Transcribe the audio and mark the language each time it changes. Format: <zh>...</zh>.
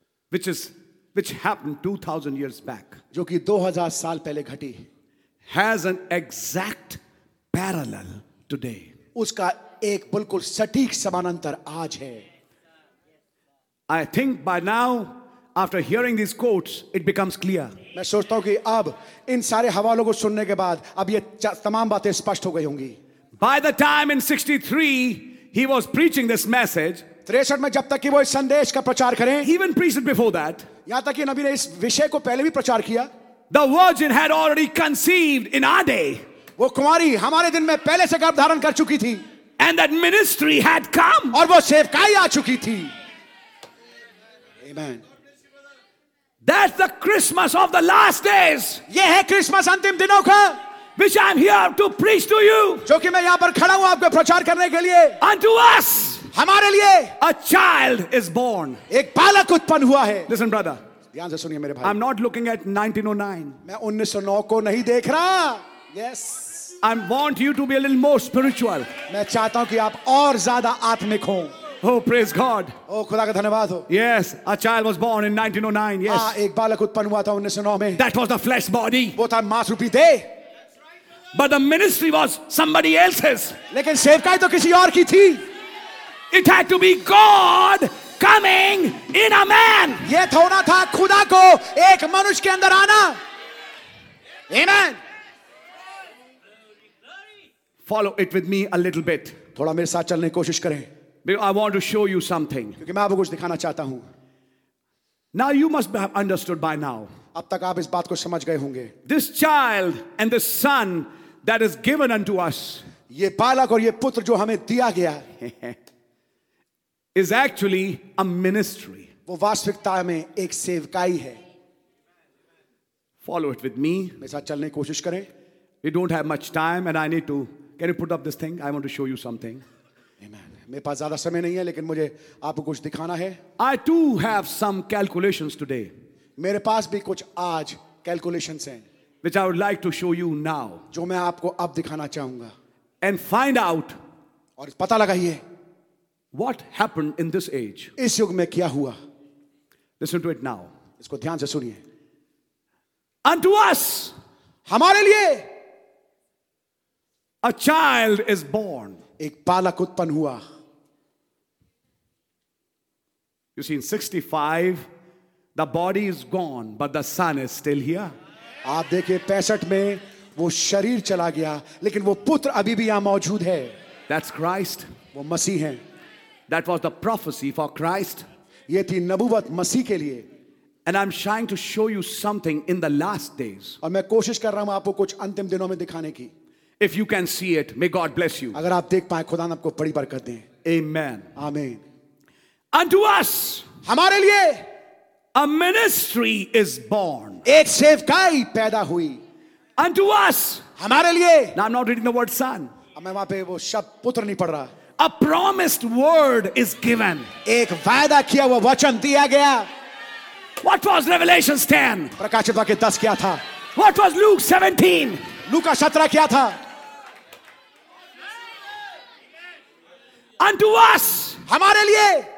<en>which happened 2000 years back,</en> <hi>जो कि 2000 साल पहले घटी,</hi> <en>has an exact parallel today.</en> <hi>उसका एक बिल्कुल सटीक समानांतर आज है.</hi> <en>I think by now, after hearing these quotes, it becomes clear.</en> <hi>मैं सोचता हूं कि अब इन सारे हवालों को सुनने के बाद अब ये तमाम बातें स्पष्ट हो गई होंगी.</hi> <en>By the time in 63 he was preaching this message.</en> <hi>63 में जब तक कि वो इस संदेश का प्रचार करें.</hi> <en>Even preached before that.</en> <hi>यहां तक कि नबी ने इस विषय को पहले भी प्रचार किया.</hi> <en>The virgin had already conceived in our day.</en> <hi>वो कुमारी हमारे दिन में पहले से गर्भ धारण कर चुकी थी.</hi> <en>And that ministry had come.</en> <hi>और वो सेवकाई आ चुकी थी. Amen.</hi> <en>That's the Christmas of the last days.</en> <hi>ये है क्रिसमस अंतिम दिनों का.</hi> <en>Which I'm here to preach to you.</en> <hi>जो कि मैं यहाँ पर खड़ा हूँ आपको प्रचार करने के लिए.</hi> <en>Unto us.</en> <hi>हमारे लिए.</hi> <en>A child is born.</en> <hi>एक बालक उत्पन्न हुआ है.</hi> <en>Listen, brother.</en> <hi>ध्यान से सुनिए मेरे भाई.</hi> <en>I'm not looking at 1909.</en> <hi>मैं 1909 को नहीं देख रहा. Yes.</hi> <en>I want you to be a little more spiritual.</en> <hi>मैं चाहता हूँ कि आप और ज़्यादा आत्मिक हों.</hi> <en>Oh, praise God.</en> <hi>Oh, खुदा का धन्यवाद हो.</hi> <en>Yes, a child was born in 1909. Yes.</en> <hi>एक बालक उत्पन्न हुआ था 1909 में.</hi> <en>That was the flesh body.</en> <hi>वो था मांस रूपी देह.</hi> <en>But the ministry was somebody else's.</en> <hi>लेकिन सेवकाई तो किसी और की थी.</hi> <en>It had to be God coming in a man.</en> <hi>ये थोड़ा था खुदा को एक मनुष्य के अंदर आना.</hi> <en>Amen. Follow it with me a little bit.</en> <hi>थोड़ा मेरे साथ चलने की कोशिश करें.</hi> <en>Because I want to show you something.</en> <hi>क्योंकि मैं आपको कुछ दिखाना चाहता हूँ.</hi> <en>Now you must have understood by now.</en> <hi>अब तक आप इस बात को समझ गए होंगे.</hi> <en>This child and this son that is given unto us.</en> <hi>ये बालक और ये पुत्र जो हमें दिया गया</hi> <en>is actually a ministry.</en> <hi>वो वास्तविकता में एक सेवकाई है.</hi> <en>Follow it with me.</en> <hi>मेरे साथ चलने की कोशिश करें.</hi> <en>We don't have much time, and I need to. Can you put up this thing? I want to show you something. Amen.</en> <hi>मेरे पास ज्यादा समय नहीं है लेकिन मुझे आपको कुछ दिखाना है.</hi> <en>I too have some calculations today.</en> <hi>मेरे पास भी कुछ आज calculations हैं.</hi> <en>Which I would like to show you now.</en> <hi>जो मैं आपको अब दिखाना चाहूंगा.</hi> <en>And find out.</en> <hi>और पता लगाइए.</hi> <en>What happened in this age?</en> <hi>इस युग में क्या हुआ?</hi> <en>Listen to it now.</en> <hi>इसको ध्यान से सुनिए.</hi> <en>Unto us.</en> <hi>हमारे लिए.</hi> <en>A child is born.</en> <hi>एक बालक उत्पन्न हुआ.</hi> <en>You see, in 65, the body is gone, but the son is still here.</en> <hi>आप देखिए 65 में वो शरीर चला गया लेकिन वो पुत्र अभी भी यहां मौजूद है.</hi> <en>That's Christ.</en> <hi>वो मसीह है.</hi> <en>That was the prophecy for Christ.</en> <hi>ये थी नबुवत मसीह के लिए.</hi> <en>And I'm trying to show you something in the last days.</en> <hi>और मैं कोशिश कर रहा हूं आपको कुछ अंतिम दिनों में दिखाने की.</hi> <en>If you can see it, may God bless you.</en> <hi>अगर आप देख पाए खुदा ने आपको बड़ी बरकत दे.</hi> <en>Amen. Amen. Unto us,</en> <hi>हमारे लिए,</hi> <en>a ministry is born.</en> <hi>एक सेवकाई पैदा हुई.</hi> <en>unto us.</en> <hi>हमारे लिए.</hi> <en>Now I'm not reading the word son.</en> <hi>मैं वहाँ पे वो शब्द पुत्र नहीं पढ़ रहा.</hi> <en>A promised word is given.</en> <hi>एक वायदा किया हुआ वचन दिया गया.</hi> <en>What was Revelation 10?</en> <hi>प्रकाशित वाक्य 10 क्या था?</hi> <en>What was Luke 17?</en> <hi>लूका 17 क्या था?</hi> <en>Unto us,</en> <hi>हमारे लिए</hi>